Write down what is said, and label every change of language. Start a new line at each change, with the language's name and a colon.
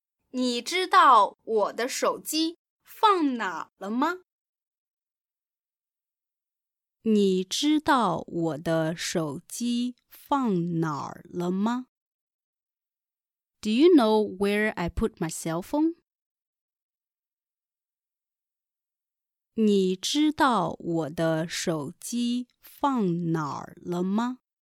Chinese: 你知道我的手机放哪了吗? 你知道我的手机放哪儿了吗?
English: Do you know where I put my cell phone?
Chinese: 你知道我的手机放哪儿了吗?